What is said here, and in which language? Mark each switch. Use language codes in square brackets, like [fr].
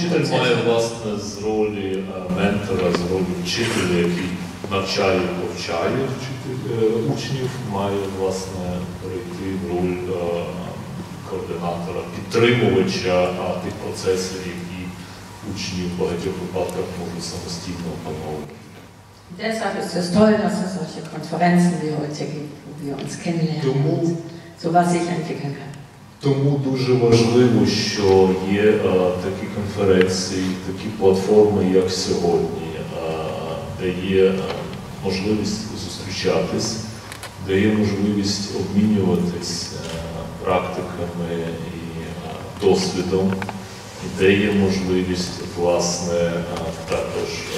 [uk] має власне з ролі ментора, з ролі вчителя, який навчає, повчає учнів, має власне перейти в роль координатора, підтримувача тих процесів, які учні в багатьох випадках можуть самостійно опановувати. [de] Deshalb ist es toll, dass es solche Konferenzen wie heute gibt, wo wir uns kennenlernen. [uk] Тому, [de] so was sich entwickeln kann. [uk] Тому дуже важливо, що є такі конференції, такі платформи, як сьогодні, де є можливість зустрічатись, де є можливість обмінюватись практиками і досвідом, і де є можливість, власне, також